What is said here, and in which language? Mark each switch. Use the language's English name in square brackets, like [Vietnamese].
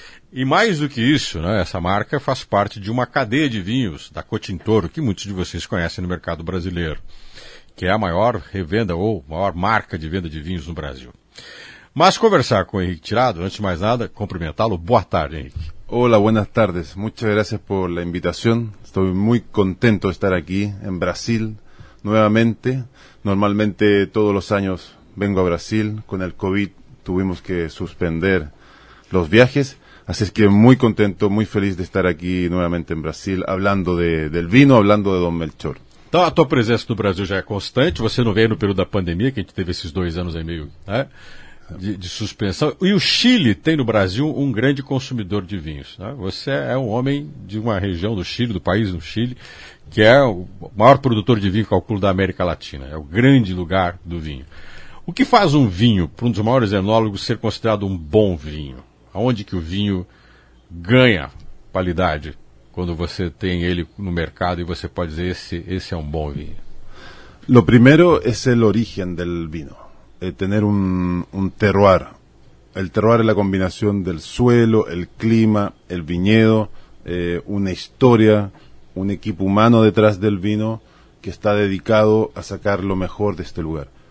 [Portuguese] E mais do que isso, né, essa marca faz parte de uma cadeia de vinhos da Cotintoro, que muitos de vocês conhecem no mercado brasileiro, que é a maior revenda ou maior marca de venda de vinhos no Brasil. Mas conversar com o Henrique Tirado, antes de mais nada, cumprimentá-lo. Boa tarde, Henrique. Olá, [Spanish] buenas tardes. Muchas gracias por la invitación. Estoy muy contento de estar aquí en Brasil nuevamente. Normalmente todos los años vengo a Brasil. Con el COVID tuvimos que suspender los viajes. Así es que muy contento, muy feliz de estar aquí nuevamente en Brasil, hablando del vino, hablando de Dom Melchor. [Portuguese] Então a tua presença no Brasil já é constante. Você não veio no período da pandemia, que a gente teve esses 2 anos e meio, né, de suspensão. E o Chile tem no Brasil um grande consumidor de vinhos, né? Você é um homem de uma região do Chile, do país do Chile, que é o maior produtor de vinho, calculo, da América Latina. É o grande lugar do vinho. O que faz um vinho, para um dos maiores enólogos, ser considerado um bom vinho? Aonde que o vinho ganha qualidade quando você tem ele no mercado e você pode dizer esse é um bom vinho? [Spanish] Lo primero es el origen del vino. Tener un terroir. El terroir es la combinación del suelo, el clima, el viñedo, una historia, un equipo humano detrás del vino que está dedicado a sacar lo mejor de este lugar.